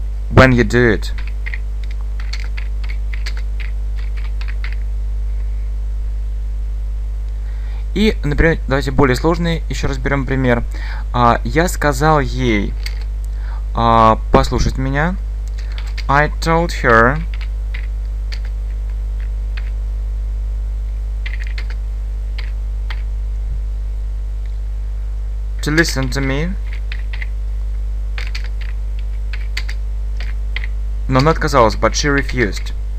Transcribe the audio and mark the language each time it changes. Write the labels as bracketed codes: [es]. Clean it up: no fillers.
[en] When you do it. [ru] И, например, давайте более сложные, еще раз берем пример. Я сказал ей послушать меня. [en] I told her to listen to me. [ru] Но она отказалась, [en] but she refused.